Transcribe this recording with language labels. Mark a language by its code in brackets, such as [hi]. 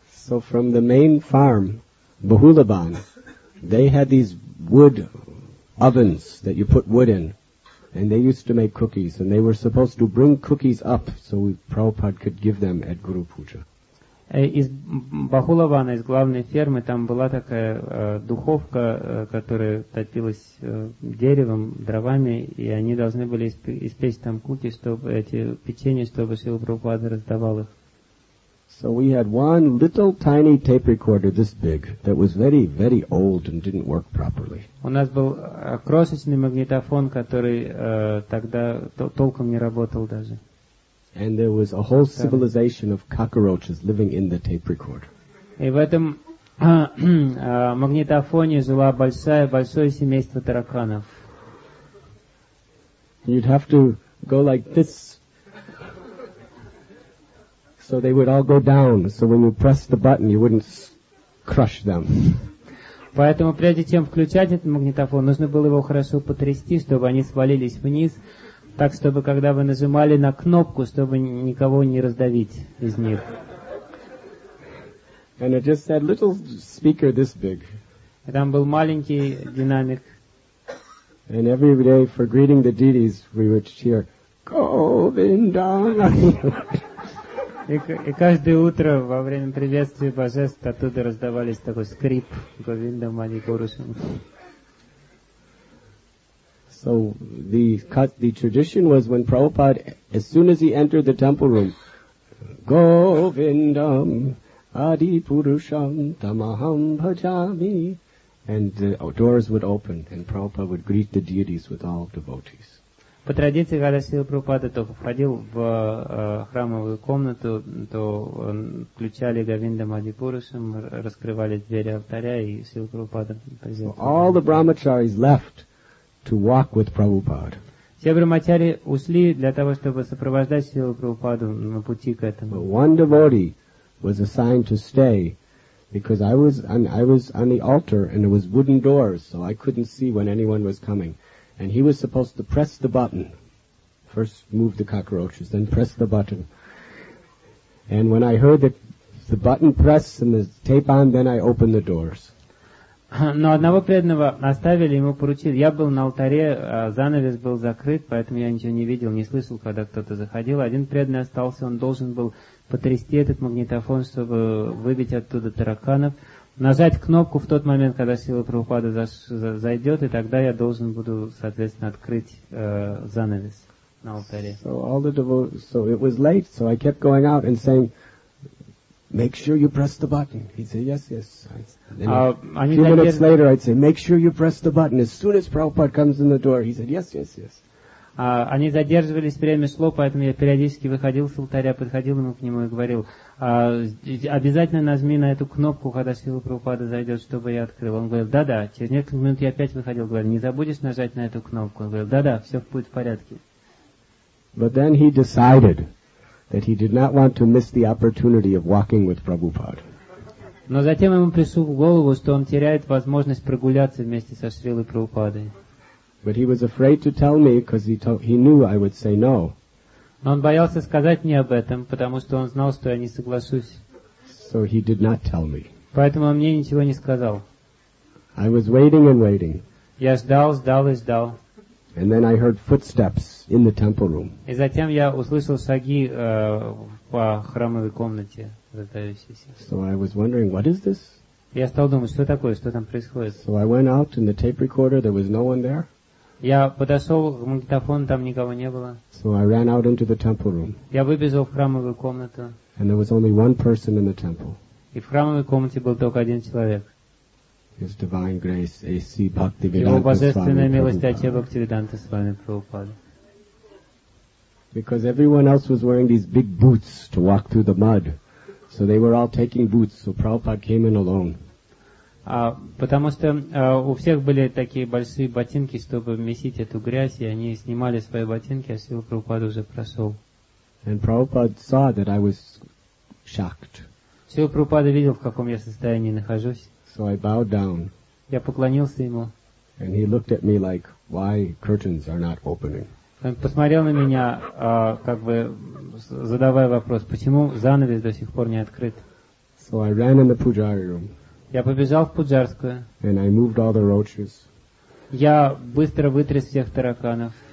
[en] So from the main farm, Bahulaban, they had these wood ovens that you put wood in, and they used to make cookies, and they were supposed to bring cookies up so Prabhupada could give them at Guru Puja. [ru] Из Бахулавана, из главной фермы, там была такая духовка, которая топилась деревом, дровами, и они должны были испечь там куки, чтобы эти печенья, чтобы Шрила Прабхупада раздавал их. [en] So we had one little tiny tape recorder this big that was very, very old and didn't work properly. [ru] У нас был крошечный магнитофон, который тогда толком не работал даже. [en] And there was a whole civilization of cockroaches living in the tape recorder. [ru] И в этом магнитофоне жила большое семейство тараканов. [en] You'd have to go like this. So they would all go down, so when you press the button, you wouldn't crush them. [ru] Поэтому прежде чем включать этот магнитофон, нужно было его хорошо потрясти, чтобы они свалились вниз, так чтобы когда вы нажимали на кнопку, чтобы никого не раздавить из них. [en] And it just had little speaker this big. [ru] И там был маленький динамик. [en] And every day for greeting the deities, we would hear, Govinda. [ru] И каждое утро во время приветствия божеств оттуда раздавались такой скрип Говинда Мани Гурушам. [en] So the tradition was when Prabhupada, as soon as he entered the temple room, Govindam Adi Purusham Tamaham Bhajami, and the doors would open and Prabhupada would greet the deities with all devotees. [ru] По традиции, когда Шрила Прабхупада только входил в храмовую комнату, то включали Говинда Мади Пурушам, раскрывали двери алтаря, и Шрила Прабхупада приветствовал. [en] All the brahmacharis left to walk with Prabhupada. [ru] Все брахмачари ушли для того, чтобы сопровождать Шрилу Прабхупаду на пути к этому. [en] But one devotee was assigned to stay, because I was on the altar, and there was wooden doors, so I couldn't see when anyone was coming. And he was supposed to press the button. First move the cockroaches, then press the button. And when I heard the button press and the tape on, then I opened the doors. [ru] Но одного преданного оставили, ему поручили. Я был на алтаре, занавес был закрыт, поэтому я ничего не видел, не слышал, когда кто-то заходил. Один преданный остался, он должен был потрясти этот магнитофон, чтобы выбить оттуда тараканов. Нажать кнопку в тот момент, когда Шрила Прабхупада зайдет, и тогда я должен буду, соответственно, открыть занавес на алтаре. [en] So it was late, so I kept going out and saying, make sure you press the button. He'd say, yes, yes. A few minutes later, I'd say, make sure you press the button. As soon as Prabhupada comes in the door, he said, yes, yes, yes. [ru] Они задерживались, время шло, поэтому я периодически выходил с алтаря, подходил ему к нему и говорил, обязательно нажми на эту кнопку, когда Шрила Прабхупада зайдет, чтобы я открыл. Он говорил, да-да. Через несколько минут я опять выходил, говорил, не забудешь нажать на эту кнопку? Он говорил, да-да, все будет в порядке. [en] But then he decided that he did not want to miss the opportunity of walking with Prabhupada. [ru] Но затем ему пришло в голову, что он теряет возможность прогуляться вместе со Шрилой Прабхупадой. [en] But he was afraid to tell me because he knew I would say no. [ru] Он боялся сказать мне об этом, потому что он знал, что я не соглашусь. [en] So he did not tell me. [ru] Поэтому он мне ничего не сказал. [en] I was waiting and waiting. [ru] Я ждал, ждал и ждал. [en] And then I heard footsteps in the temple room. [ru] И затем я услышал шаги по храмовой комнате, раздающиеся. [en] So I was wondering, what is this? [ru] Я стал думать, что такое, что там происходит. [en] So I went out in the tape recorder, there was no one there. [ru] Я подошел к магнитофону, там никого не было. [en] So I ran out into the temple room. [ru] Я выбежал в храмовую комнату. [en] And there was only one person in the temple. [ru] И в храмовой комнате был только один человек. [en] His divine grace, A.C. [ru] Бхактивиданта Свами Прабхупада. Его божественная милость, А.Ч. Бхактивиданта Свами Прабхупада. [en] Because everyone else was wearing these big boots to walk through the mud. So they were all taking boots, so Prabhupada came in alone. [ru] Потому что у всех были такие большие ботинки, чтобы месить эту грязь, и они снимали свои ботинки, а Шрила Прабхупада уже прошел. [en] And Prabhupada saw that I was shocked. [ru] Шрила Прабхупада видел, в каком я состоянии нахожусь. [en] So I bowed down. [ru] Я поклонился ему. [en] And he looked at me like, why curtains are not opening? [ru] Он посмотрел на меня, как бы задавая вопрос, почему занавес до сих пор не открыт. [en] So I ran in the pujari room. [ru] Я побежал в пуджарскую. [en] And I moved all the roaches. [ru] Я быстро вытряс всех тараканов.